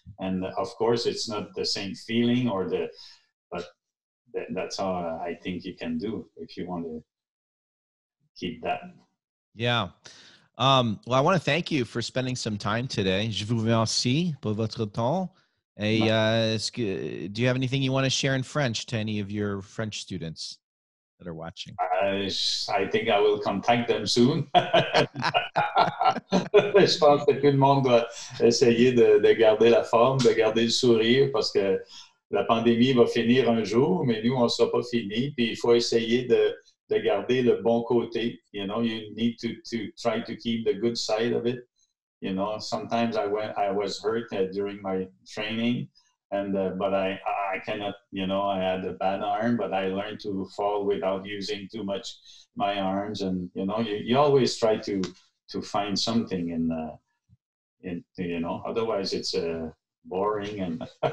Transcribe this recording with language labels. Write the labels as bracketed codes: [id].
[en] And of course, it's not the same feeling or the, that's all I think you can do if you want to keep that. Yeah. Well, I want to thank you for spending some time today. [fr] Je vous remercie pour votre temps. [en] Do you have anything you want to share in French to any of your French students that are watching? I think I will contact them soon. [fr] Je pense que tout le monde doit essayer de garder la forme, de garder le sourire, parce que la pandémie va finir un jour, mais nous, on ne sera pas fini. Puis il faut essayer de garder le bon côté. [en] You know, you need to try to keep the good side of it. You know, sometimes I was hurt during my training, but I cannot, you know, I had a bad arm, but I learned to fall without using too much my arms. And, you know, you always try to find something in, you know, otherwise it's boring and...